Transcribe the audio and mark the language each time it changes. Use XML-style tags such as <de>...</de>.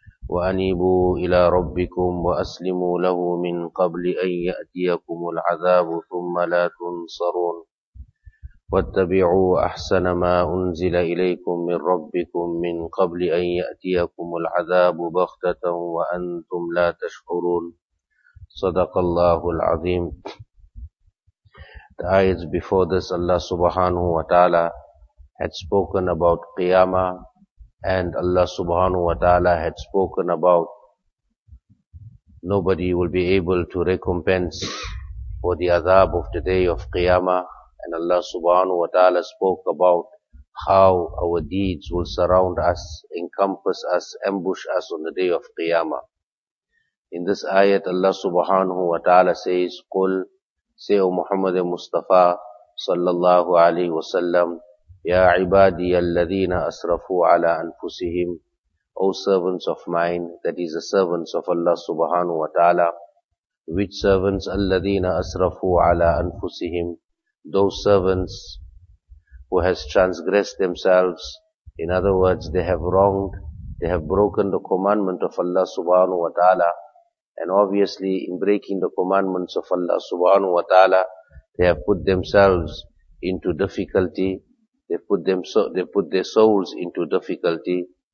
<ar>وأنيبوا إلى ربكم وأسلموا له من قبل أن يأتيكم العذاب ثم لا تنصرون. واتبعوا أحسن ما أنزل إليكم من ربكم من قبل أن يأتيكم العذاب بغتة وأنتم لا تشعرون. صدق الله العظيم.</ar> <en>The ayats before this, Allah subhanahu wa ta'ala had spoken about Qiyamah, and Allah subhanahu wa ta'ala had spoken about nobody will be able to recompense for the adhab of the day of Qiyamah. And Allah subhanahu wa ta'ala spoke about how our deeds will surround us, encompass us, ambush us on the day of Qiyamah. In this ayat, Allah subhanahu wa ta'ala says,</en> <ar>قُلْ سَيُّ مُحَمَّدِ مُصْطَفَى صَلَّى اللَّهُ عَلَيْهِ وَسَلَّمْ يَا عِبَادِيَ الَّذِينَ أَسْرَفُوا عَلَىٰ أَنفُسِهِمْ.</ar> <en>O servants of mine, that is the servants of Allah subhanahu wa ta'ala, which servants</en> <ar>الَّذِينَ أَسْرَفُوا عَلَىٰ أَنفُسِهِمْ,</ar> <en>those servants who has transgressed themselves, in other words, they have wronged, they have broken the commandment of Allah subhanahu wa ta'ala, and obviously in breaking the commandments of Allah subhanahu wa ta'ala, they have put themselves into difficulty, they put their souls into difficulty.</en>